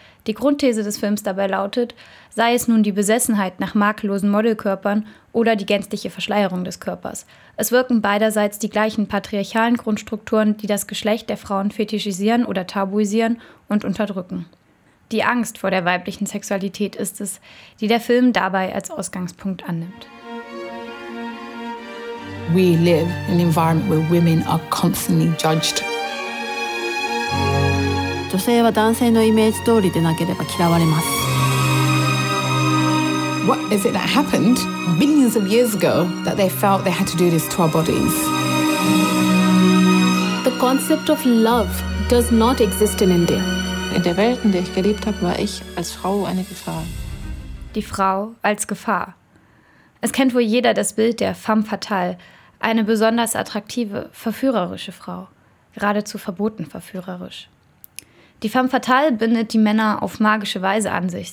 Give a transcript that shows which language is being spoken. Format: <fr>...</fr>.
<de>Die Grundthese des Films dabei lautet, sei es nun die Besessenheit nach makellosen Modelkörpern oder die gänzliche Verschleierung des Körpers. Es wirken beiderseits die gleichen patriarchalen Grundstrukturen, die das Geschlecht der Frauen fetischisieren oder tabuisieren und unterdrücken. Die Angst vor der weiblichen Sexualität ist es, die der Film dabei als Ausgangspunkt annimmt.</de> <en>We live in an environment where women are constantly judged.</en> <ja>女性は男性のイメージ通りでなければ嫌われます。</ja> <en>What is it that happened millions of years ago that they felt they had to do this to our bodies? The concept of love does not exist in India.</en> <de>In der Welt, in der ich gelebt habe, war ich als Frau eine Gefahr. Die Frau als Gefahr. Es kennt wohl jeder das Bild der femme fatale, eine besonders attraktive, verführerische Frau. Geradezu verboten verführerisch. Die femme fatale bindet die Männer auf magische Weise an sich.</de>